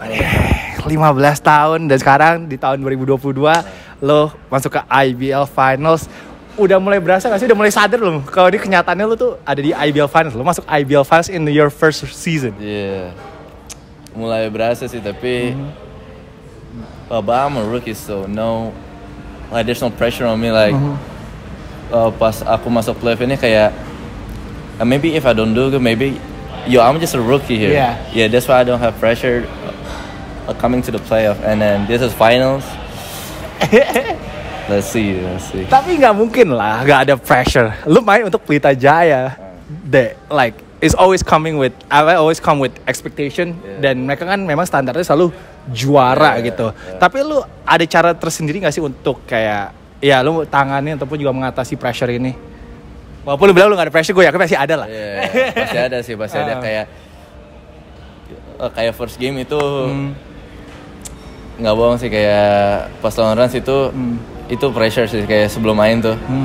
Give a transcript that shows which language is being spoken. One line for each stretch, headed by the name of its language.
Indonesian: Aneh, 15 tahun dan sekarang di tahun 2022 lu masuk ke IBL Finals. Udah mulai berasa gak sih? Udah mulai sadar lo kalau ini kenyataannya lo tuh ada di IBL Finals. Lo masuk
English: IBL Finals in your first season.
Indonesian: Iya.
English: Yeah.
Indonesian: Mulai berasa sih, tapi...
English: But I'm a rookie, so no... Like, there's no pressure on me, like...
Indonesian: Pas aku masuk playoff ini kayak...
English: Maybe if I don't do good, maybe... Yo, I'm just a rookie here. Yeah. Yeah, that's why I don't have pressure... coming to the playoff. And then, this is Finals. Let's see.
Indonesian: Tapi gak mungkin lah, gak ada pressure. Lu main untuk Pelita Jaya.
English: That, like, it's always coming with, I always come with expectation. Yeah.
Indonesian: Dan mereka kan memang standarnya selalu juara gitu.
English: Yeah.
Indonesian: Tapi lu ada cara tersendiri gak sih untuk kayak, ya lu tangannya ataupun juga mengatasi pressure ini? Walaupun lu bilang lu gak ada pressure, gue yakin pasti ada lah.
English: Yeah,
Indonesian: pasti ada sih, pasti ada kayak, kayak
English: first game
Indonesian: itu, gak bohong sih, kayak pas
English: long runs
Indonesian: itu, itu pressure sih, kayak sebelum main tuh.